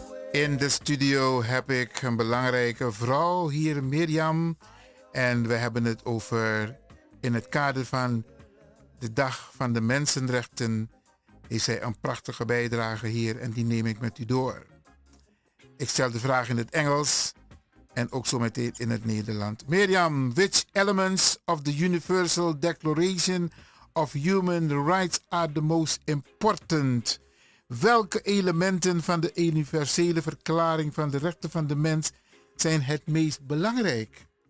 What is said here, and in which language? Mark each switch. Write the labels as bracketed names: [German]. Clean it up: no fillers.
[Dutch] In de studio heb ik een belangrijke vrouw hier, Miriam. En we hebben het over, in het kader van de Dag van de Mensenrechten, heeft zij een prachtige bijdrage hier en die neem ik met u door. Ik stel de vraag in het Engels en ook zometeen in het Nederland. [English] Miriam, which elements of the Universal Declaration of Human Rights are the most important? [Dutch] Welke elementen van de universele verklaring van de rechten van de mens zijn het meest belangrijk?